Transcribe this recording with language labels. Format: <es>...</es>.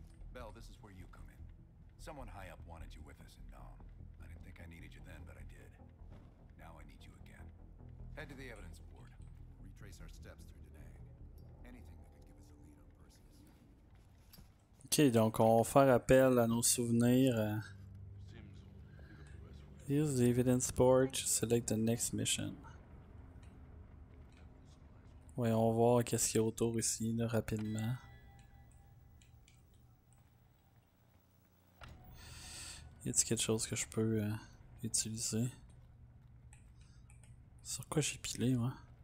<en>Bell, this is where you come in. Someone high up wanted you with us in Nam. I needed you then, but I did. Now I need you again. Head to the evidence board. Retrace our steps through today. Anything that could give us a lead on Perseus.</en> <fr>Ok, donc on va faire appel à nos souvenirs.</fr> <en>Use the evidence board to select the next mission.</en> <fr>Voyons voir qu'est-ce qu'il y a autour ici, là, rapidement. Y a-t-il quelque chose que je peux... utiliser. Sur quoi j'ai pilé, moi?</fr>